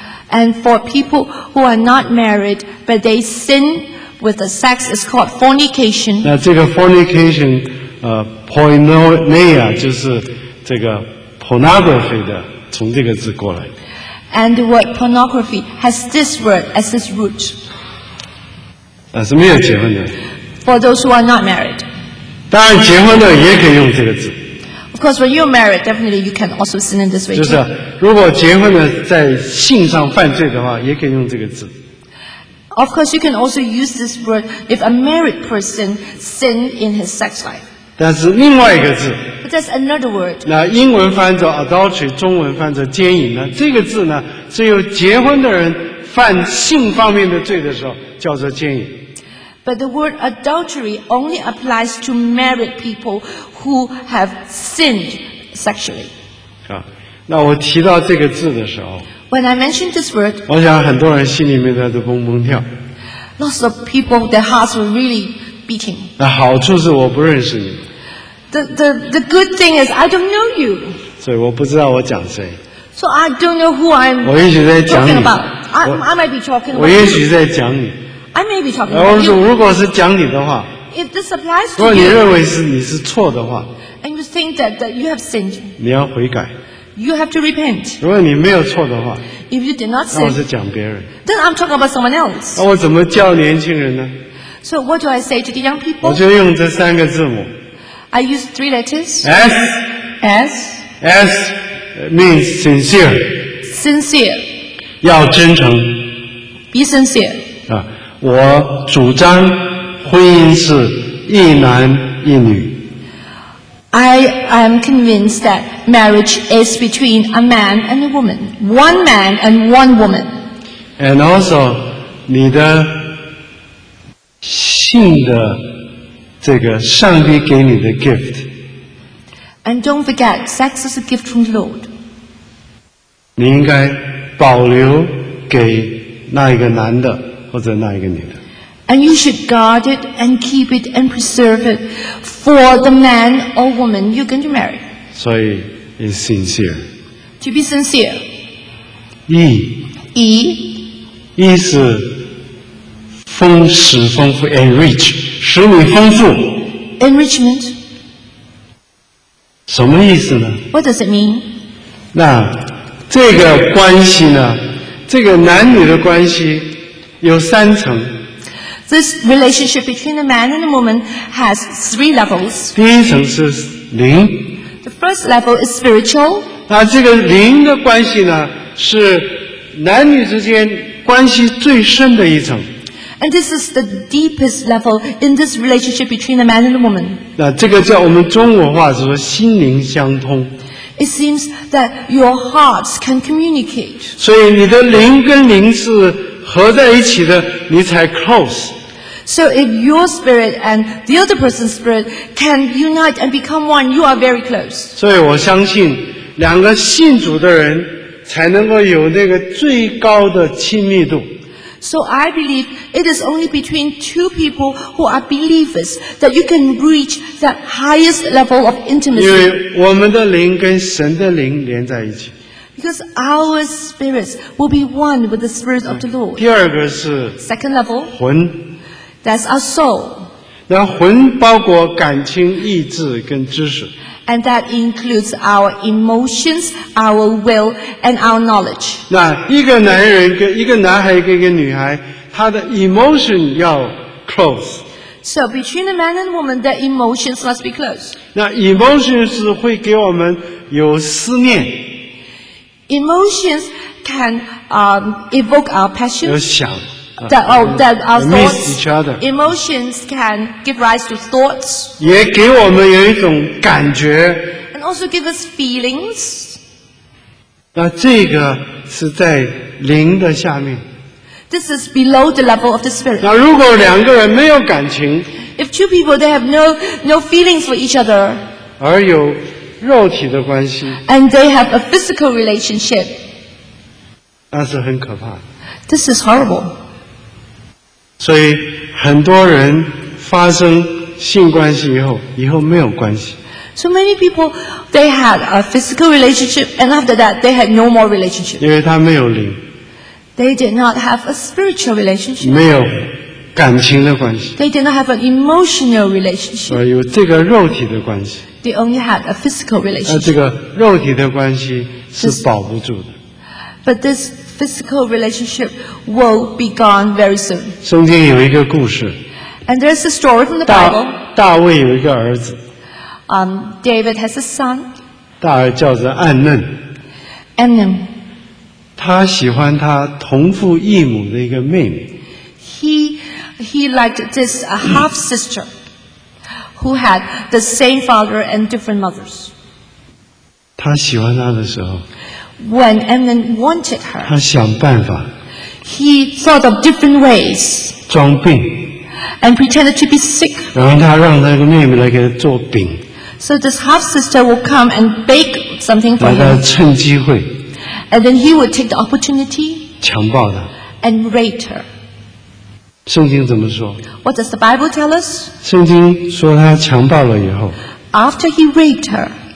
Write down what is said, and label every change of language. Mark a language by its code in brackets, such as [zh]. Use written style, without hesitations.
[en] And for people who are not married but they sin with the sex, is called fornication. [zh] 那这个 fornication, pornoia 就是这个 pornography 的，从这个字过来。 [en] And the word pornography has this word as its root. [zh] 是没有结婚的。 [en] For those who are not married. [zh] 当然，结婚的也可以用这个字。 [en] Of course, when you're married, definitely you can also sin in this way too. [zh] 就是，如果结婚的在性上犯罪的话，也可以用这个字。 [en] Of course, you can also use this word if a married person sin in his sex life. [zh] 但是另外一个字。 [en] But that's another word. [zh] 那英文翻作 adultery, 中文翻作奸淫呢？这个字呢，只有结婚的人犯性方面的罪的时候叫做奸淫。 [en] But the word adultery only applies to married people who have sinned sexually. [zh] 那我提到这个字的时候。 [en] When I mentioned this word, [zh] 我想很多人心里面在都蹦蹦跳。 [en] Lots of people, their hearts were really beating. [zh] 那好处是我不认识你。 [en] The good thing is I don't know you. [zh] 所以我不知道我讲谁。 [en] So I don't know who I'm. [zh] 我也许在讲你。 [en] I might be talking about. [zh] 我也许在讲你。 [en] I may be talking about you. [zh] 如果是讲你的话。 [en] If this applies to you. [zh] 如果你认为是你是错的话。 [en] And you think that you have sinned. [zh] 你要悔改。 [en] You have to repent. [zh] 如果你没有错的话。 [en] If you did not sin. [zh] 那我是讲别人。 [en] Then I'm talking about someone else. [zh] 那我怎么叫年轻人呢？ [en] So what do I say to the young people? [zh] 我就用这三个字母。 [en] I use three letters. S. S. S means sincere. Sincere. [zh] 要真诚。 [en] Be sincere. [zh] 我主张婚姻是一男一女。 [en] I am convinced that marriage is between a man and a woman. One man and one woman. And also, [zh] 你的性的这个上帝给你的 gift. [en] And don't forget, sex is a gift from the Lord. [zh] 你应该保留给那一个男的或者那一个女的。 [en] And you should guard it and keep it and preserve it for the man or woman you're going to marry. [zh] 所以 [en] is sincere. To be sincere. [zh] 意。意。意是丰实丰富 enrich。使你丰富 [en] Enrichment [zh] 什么意思呢？ [en] What does it mean? [zh] 那这个关系呢，这个男女的关系有三层。 [en] This relationship between a man and a woman has three levels. [zh] 第一层是灵。 [en] The first level is spiritual. [zh] 那这个灵的关系呢，是男女之间关系最深的一层。 [en] And this is the deepest level in this relationship between a man and a woman. [zh] 那这个叫我们中文话是说心灵相通。 [en] It seems that your hearts can communicate. [zh] 所以你的灵跟灵是合在一起的，你才 close. [en] So if your spirit and the other person's spirit can unite and become one, you are very close. [zh] 所以我相信，两个信主的人才能够有那个最高的亲密度。 [en] So I believe it is only between two people who are believers that you can reach that highest level of intimacy. [zh] 因为我们的灵跟神的灵连在一起。 [en] Because our spirits will be one with the spirit of the Lord. [zh] 第二个是 [en] second level [zh] 魂。 [en] That's our soul. [zh] 那魂包括感情、意志跟知识。 [en] And that includes our emotions, our will, and our knowledge. [zh] 那一个男人跟一个男孩跟一个女孩，他的 emotion 要 close. [en] So between a man and a woman, their emotions must be close. [zh] 那 emotions 会给我们有思念。 [en] Emotions can evoke our passion. [zh] 有想。 [en] That our miss each other. Emotions can give rise to thoughts. [zh] 也给我们有一种感觉。 [en] And also give us feelings. [zh] 那这个是在灵的下面。 [en] This is below the level of the spirit. [zh] 那如果两个人没有感情。 [en] If two people, they have no feelings for each other. [zh] 而有肉体的关系。 [en] And they have a physical relationship. [zh] 那是很可怕。 [en] This is horrible. [zh] 所以很多人发生性关系以后，以后没有关系。 [en] So many people, they had a physical relationship, and after that, they had no more relationship. [zh] 因为他没有灵。 [en] They did not have a spiritual relationship. [zh] 没有感情的关系。 [en] They did not have an emotional relationship. [zh] 有这个肉体的关系。 [en] They only had a physical relationship. [zh] 这个肉体的关系是保不住的。 [en] But this physical relationship will be gone very soon. [zh] 圣经有一个故事。 [en] And there's a story from the Bible. [zh] 大卫有一个儿子。 [en] David has a son. [zh] 大儿叫做暗嫩。暗嫩。他喜欢他同父异母的一个妹妹。 [en] He liked this half sister who had the same father and different mothers. [zh] 他喜欢他的时候。 [en] When Amnon wanted her. [zh] 他想办法。 [en] He thought of different ways. [zh] 装病。 [en] And pretended to be sick. [zh] 然后他让那个妹妹来给他做饼。 [en] So this half sister would come and bake something for him. [zh] 让他趁机会。 [en] And then he would take the opportunity [zh] 强暴她 [en] and rape her. [zh] 圣经怎么说 [en] What does the Bible tell us? [zh] 圣经说他强暴了以后 [en] After he raped her